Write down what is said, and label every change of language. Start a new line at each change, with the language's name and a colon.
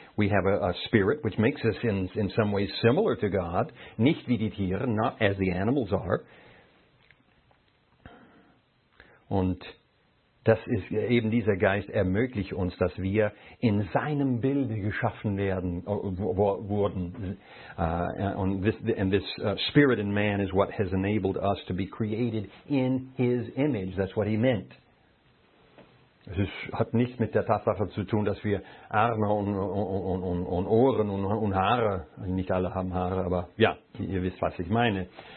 English: We have a spirit which makes us in some ways similar to God,
German: nicht wie die Tiere,
English: not as the animals are.
German: Und das ist eben dieser Geist ermöglicht uns, dass wir in seinem Bilde geschaffen werden wurden.
English: And this spirit in man is what has enabled us to be created in his image. That's what he meant.
German: Es hat nichts mit der Tatsache zu tun, dass wir Arme und Ohren und Haare, nicht alle haben Haare, aber ja, ihr wisst, was ich meine.